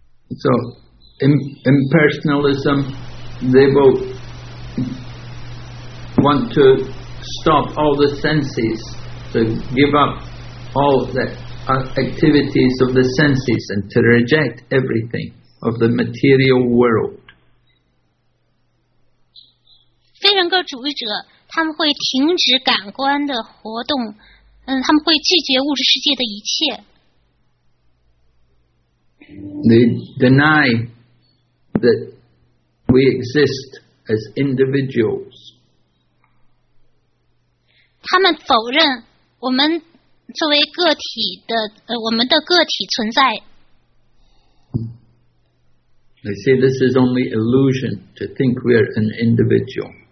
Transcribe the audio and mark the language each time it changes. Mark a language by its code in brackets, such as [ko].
[en] So, impersonalism, they will want to stop all the senses, to give up all of that. Activities of the senses and to reject everything of the material world. [zh] 非人格主义者，他们会停止感官的活动，他们会拒绝物质世界的一切。 [en] They deny that we exist as individuals. [zh] 他们否认我们。作为个体的，我们的个体存在。 [en] They say this is only illusion to think we are an individual.